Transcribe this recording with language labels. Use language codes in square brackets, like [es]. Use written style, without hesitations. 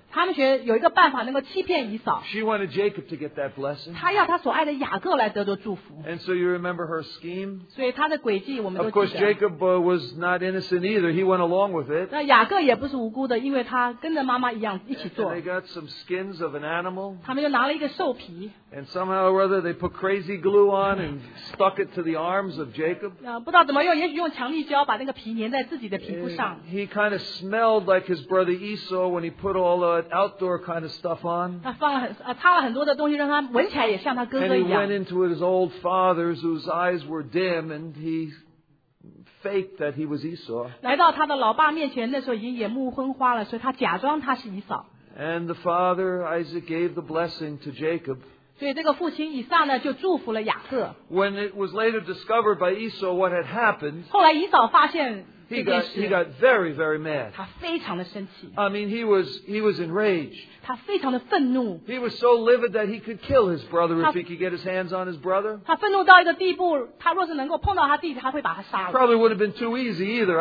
[zh] 他们觉得有一个办法能够欺骗以扫。 [en] She wanted Jacob to get that blessing. [zh] 她要她所爱的雅各来得到祝福。 [en] And so you remember her scheme. [zh] 所以她的诡计我们都记得。 [en] Of course, Jacob was not innocent either. He went along with it. [zh] 那雅各也不是无辜的，因为他跟着妈妈一样一起做。 [en] Some skins of an animal. [zh] 他们就拿了一个兽皮。 [en] And somehow or other, they put crazy glue on and stuck it to the arms of Jacob. [zh] 不知道怎么用，也许用强力胶把那个皮粘在自己的皮肤上。 [en] He kind of smelled like his brother Esau when he put all the outdoor kind of stuff on. [zh] 他放了擦了很多的东西，让他闻起来也像他哥哥一样。 [en] And he went into his old father's, whose eyes were dim, and he faked that he was Esau. [zh] 来到他的老爸面前，那时候已经眼目昏花了，所以他假装他是以扫。 [en] And the father, Isaac, gave the blessing to Jacob. [zh] 所以这个父亲以撒呢就祝福了雅各。 [en] When it was later discovered by Esau what had happened, [zh] 后来以扫发现 [en] He got very, very mad. I mean, he was enraged. He was so livid that he could kill his brother if he could get his hands on his brother. Probably would have been too easy either.